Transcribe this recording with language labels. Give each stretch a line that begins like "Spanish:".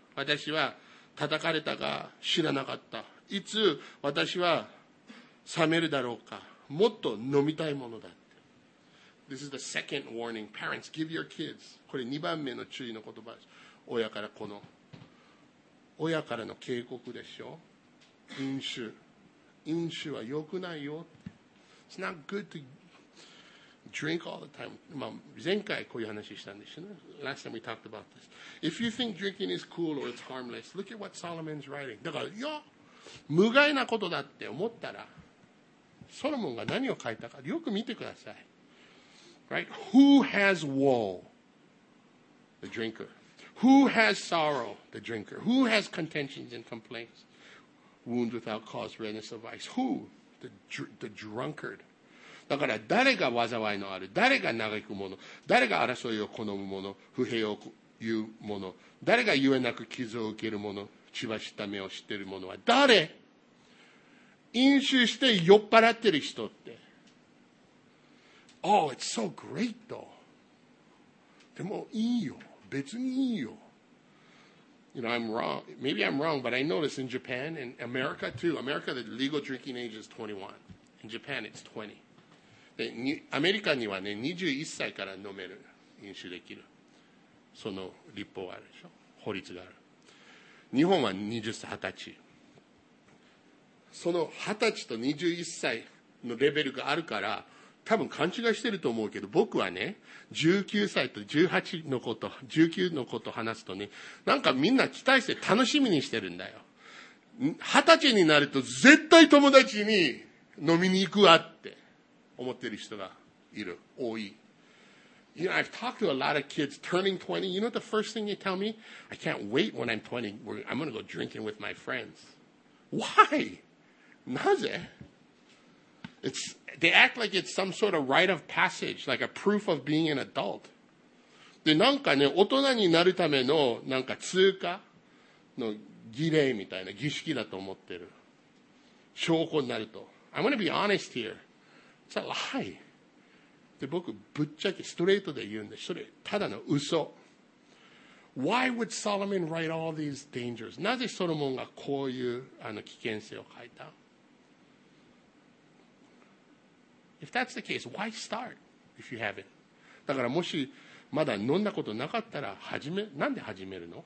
Japanese: 私は叩かれたが知らなかった。いつ私は冷めるだろうか。もっと飲みたいものだって。
English: This is the second warning. Parents, give your kids.
Japanese: これ2番目の注意の言葉です。親からこの親からの警告でしょ。飲酒、飲酒は良くないよ。
English: It's not good to drink all the time.
Japanese: まあ前回こういう話したんですよね。
English: Last time we talked about this. If you think drinking is cool or it's harmless, look at what Solomon's writing.
Japanese: だからいや無害なことだって思ったら、ソロモンが何を書いたかよく見てください。
English: Right? Who has woe? The drinker. Who has sorrow? The drinker. Who has contentions and complaints? Wounds without cause, redness of vice. Who? The drunkard.
Japanese: だから誰が災いのある、誰が嘆くもの、誰が争いを好むもの、不平を言うもの、誰が言えなく傷を受けるもの、血ばした目を知っているものは誰？飲酒して酔っ払ってる人って。
English: Oh, it's so great though.
Japanese: でもいいよ。別にいいよ。
English: You know, I'm wrong. Maybe I'm wrong, but I notice in Japan and America too. America, the legal drinking age is 21. In Japan, it's 20.
Japanese: で、アメリカにはね、21歳から飲める、飲酒できる。その立法があるでしょ。法律がある。日本は20歳、20歳。その20歳と21歳のレベルがあるから、多分勘違いしてると思うけど、僕はね、19歳と18の子と、19の子と話すとね、なんかみんな期待して楽しみにしてるんだよ。二十歳になると絶対友達に飲みに行くわって思ってる人がいる。多い。
English: You know, I've talked to a lot of kids turning 20. You know what the first thing they tell me? I can't wait when I'm 20. I'm going to go drinking with my friends. Why?
Japanese: なぜ？
English: It's, they act like it's some sort of rite of passage, like a proof of being an adult.
Japanese: で、なんかね、大人になるためのなんか通過の儀礼みたいな儀式だと思ってる。証拠になると。
English: I'm gonna be honest here. It's a lie.
Japanese: で、僕、ぶっちゃけストレートで言うんです。それ、ただの嘘。
English: Why would Solomon write all these dangers?
Japanese: なぜソロモンがこういうあの危険性を書いた？
English: If that's the case, why start if you haven't?
Japanese: だからもしまだ飲んだことなかったら始め、なんで始めるの？